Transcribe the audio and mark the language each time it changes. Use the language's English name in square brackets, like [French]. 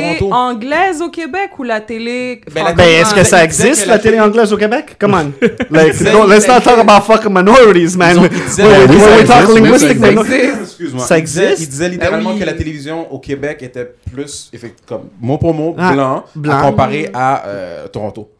[French] La télé anglaise au Québec ou la télé... Ben, est-ce que ça existe, la télé anglaise au Québec? [English] Come on. Like, let's not talk about fucking minorities, man. When we talk linguistic minorities. [French] Excuse-moi. Ça existe? Il disait littéralement que la télévision au Québec était plus, comme mot pour mot, blanc, comparé à Toronto.